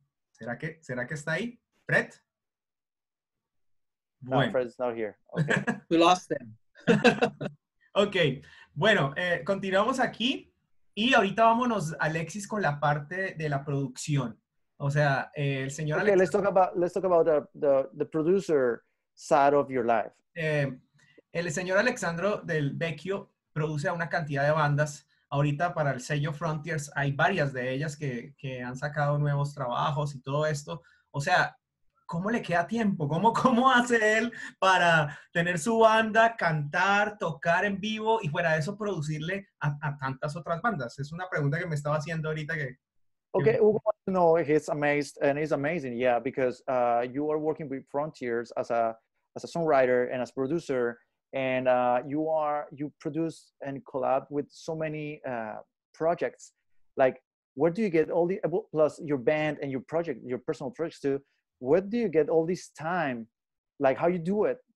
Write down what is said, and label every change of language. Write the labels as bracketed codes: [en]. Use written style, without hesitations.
[es] ¿Será que está ahí? ¿Fred? Bueno. [en] No, Fred's not here. Okay. We lost him. [es] Ok. Bueno, continuamos aquí. Y ahorita vámonos, Alexis, con la parte de la producción. O sea, el señor Alexis... [en] Okay, let's talk about the producer side of your life. [es] El señor Alessandro Del Vecchio produce a una cantidad de bandas. Ahorita para el sello Frontiers hay varias de ellas que han sacado nuevos trabajos y todo esto. O sea, ¿cómo le queda tiempo? ¿Cómo hace él para tener su banda, cantar, tocar en vivo y fuera de eso producirle a tantas otras bandas? Es una pregunta que me estaba haciendo ahorita que... [en] Okay, Hugo wants to know, he's amazed, and it's amazing, yeah, because you are working with Frontiers as a songwriter and as a producer, and you produce and collab with so many projects. Like, where do you get all the, plus your band and your project, your personal projects too, where do you get all this time? Like, how you do it?